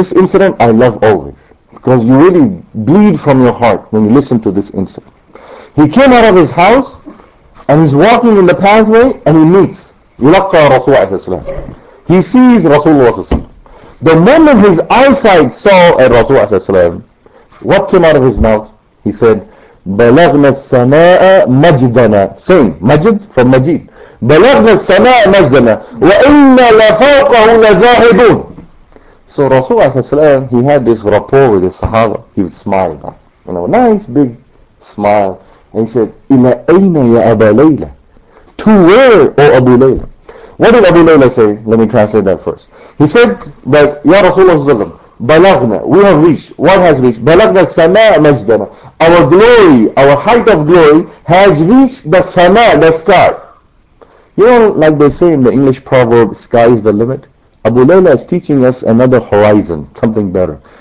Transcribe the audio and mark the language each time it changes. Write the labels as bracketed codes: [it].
[en] This incident I love always, because you really bleed from your heart when you listen to this incident. He came out of his house, and he's walking in the pathway, and he meets Yulaqa Rasulullah. He sees Rasulullah. The moment his eyesight saw a Rasulullah, what came out of his mouth? He said, [ar] بَلَغْنَا السَّمَاءَ مَجْدَنَا. [en] Same, Majid from Majid. [ar] بَلَغْنَا السَّمَاءَ مَجْدَنَا وَإِنَّا لَفَوْقَهُ لَزَاهِدُونَ. [en] So Rasulullah, he had this rapport with his Sahaba. He would smile, you know, nice big smile. And he said, [ar] إِلَى أَيْنَ يَا أَبَا لَيْلَ. [en] To where, O Abu Layla? What did Abu Layla say? Let me translate that first. He said that, Ya Rasulullah, [ar] بَلَغْنَا, [en] we have reached. What has reached? [ar] بَلَغْنَا السَّمَاءَ مَجْدَنَا. [en] Our glory, our height of glory has reached the sama, the sky. You know, like they say in the English proverb, sky is the limit. Abu Layla is teaching us another horizon, something better.